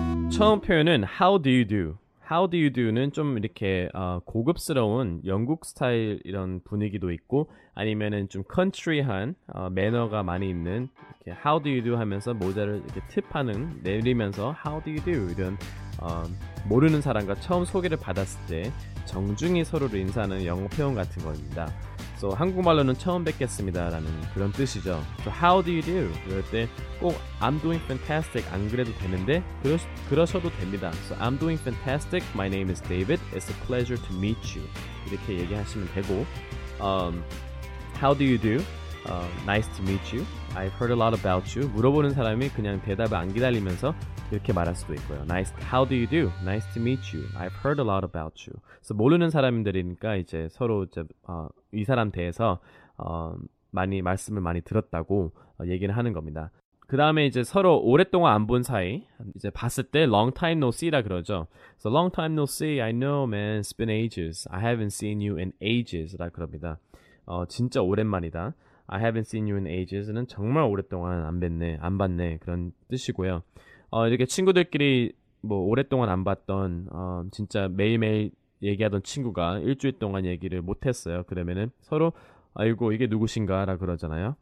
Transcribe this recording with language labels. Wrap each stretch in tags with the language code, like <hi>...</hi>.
<ko>처음 표현은</ko> <en>How do you do? How do you do?</en> <ko>는 좀 이렇게 고급스러운 영국 스타일 이런 분위기도 있고, 아니면은 좀 컨트리한 매너가 많이 있는 이렇게 How do you do? 하면서 모자를 이렇게 팁하는 내리면서</ko> <en>How do you do?</en> <ko>이런 모르는 사람과 처음 소개를 받았을 때 정중히 서로를 인사하는 영어 표현 같은 겁니다. So 한국말로는 처음 뵙겠습니다 라는 그런 뜻이죠.</ko> <en>So How do you do?</en> <ko>그럴 때 꼭</ko> <en>I'm doing fantastic</en> <ko>안 그래도 되는데 그러셔도 됩니다.</ko> <en>So I'm doing fantastic. My name is David. It's a pleasure to meet you.</en> <ko>이렇게 얘기하시면 되고</ko> <en>How do you do? Nice to meet you. I've heard a lot about you.</en> <ko>물어보는 사람이 그냥 대답을 안 기다리면서 이렇게 말할 수도 있고요.</ko> <en>Nice. How do you do? Nice to meet you. I've heard a lot about you.</en> <ko>So 모르는 사람들이니까 이제 서로 이제 이 사람 대해서 많이 말씀을 많이 들었다고 얘기를 하는 겁니다. 그 다음에 이제 서로 오랫동안 안 본 사이 이제 봤을 때</ko> <en>long time no see</en> <ko>라 그러죠.</ko> <en>So long time no see. I know, man. It's been ages. I haven't seen you in ages</en> <ko>라 그럽니다. 진짜 오랜만이다.</ko> <en>I haven't seen you in ages</en> <ko>는 정말 오랫동안 안 봤네 그런 뜻이고요. 이렇게 친구들끼리 뭐 오랫동안 안 봤던 진짜 매일매일 얘기하던 친구가 일주일 동안 얘기를 못했어요. 그러면은 서로 아이고 이게 누구신가 라 그러잖아요.</ko>